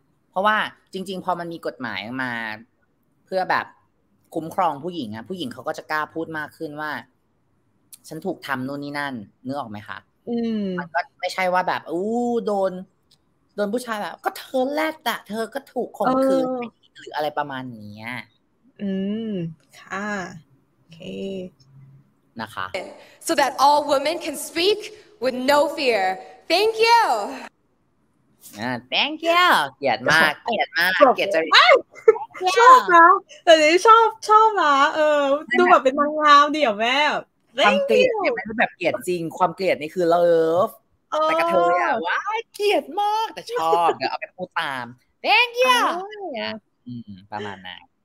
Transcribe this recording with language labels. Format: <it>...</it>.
<th>เพราะว่าจริงๆพอมันมีกฎหมายมาเพื่อแบบคุ้มครองผู้หญิงอะผู้หญิงเขาก็จะกล้าพูดมากขึ้นว่าฉันถูกทำนู่นนี่นั่นนึกออกไหมคะ มันก็ไม่ใช่ว่าแบบอู้โดนผู้ชายแบบก็เธอแรกแต่เธอก็ถูกข่มขืนหรืออะไรประมาณนี้ อืมค่ะโอเค นะคะ</th> <en>so that all women can speak with no fear thank you thank you</en> <th>เกลียดมากเกลียดมากเกลียดจ ะชอบนะแต่นี่ชอบนะดูแบบเป็นนางงามดีอ่ะแม่ ความเกลียดเนี่ยมันเป็นแบบเกลียดจริงความเกลียดนี่คือ love แต่กับเธออ่ะว้าเกลียดมากแต่ชอบเดี๋ยวเอาไปพูดตาม</th> <en>thank you</en> <th>ประมาณนั้น</th>